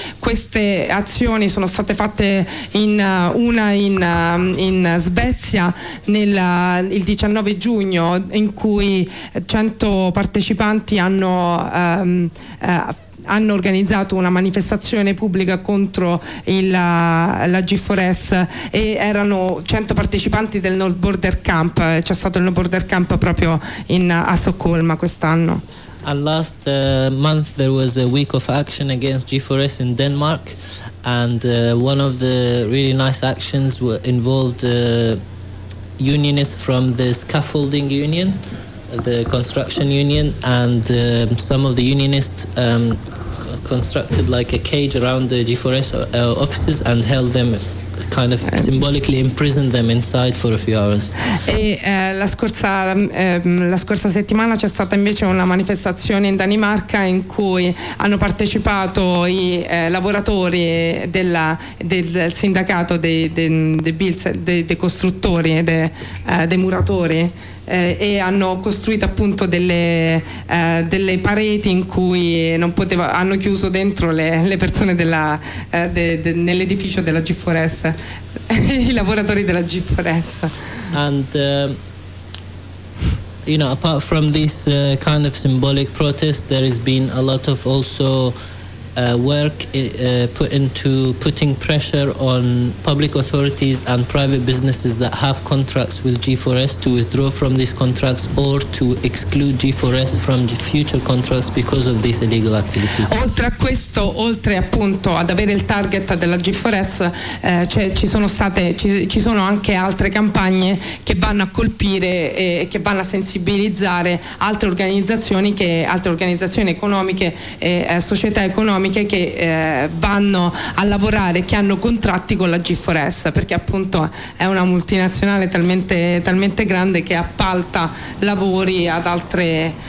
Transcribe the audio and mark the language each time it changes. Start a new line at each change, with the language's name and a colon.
Italian: Queste azioni sono state fatte in Svezia il 19 giugno, in cui 100 partecipanti hanno organizzato una manifestazione pubblica contro la G4S, e erano 100 partecipanti del No Border Camp. C'è stato il No Border Camp proprio a Stoccolma quest'anno.
English: And last month there was a week of action against G4S in Denmark, and one of the really nice actions involved unionists from the scaffolding union, the construction union, and some of the unionists constructed like a cage around the G4S offices and held them kind of symbolically imprisoned them inside for a few hours.
Italian: E la scorsa settimana c'è stata invece una manifestazione in Danimarca in cui hanno partecipato i lavoratori del sindacato dei costruttori e dei muratori. E hanno costruito appunto delle pareti in cui non poteva, hanno chiuso dentro le persone nell'edificio della G4S, i lavoratori della G4S.
English: And you know, apart from this kind of symbolic protest, there has been a lot of also work put into putting pressure on public authorities and private businesses that have contracts with G4S to withdraw from these contracts or to exclude G4S from future contracts because of these illegal activities.
Italian: Oltre a questo, oltre appunto ad avere il target della G4S, ci sono anche altre campagne che vanno a colpire e che vanno a sensibilizzare altre organizzazioni economiche e società economiche che vanno a lavorare, che hanno contratti con la G4S, perché appunto è una multinazionale talmente, talmente grande che appalta lavori ad altre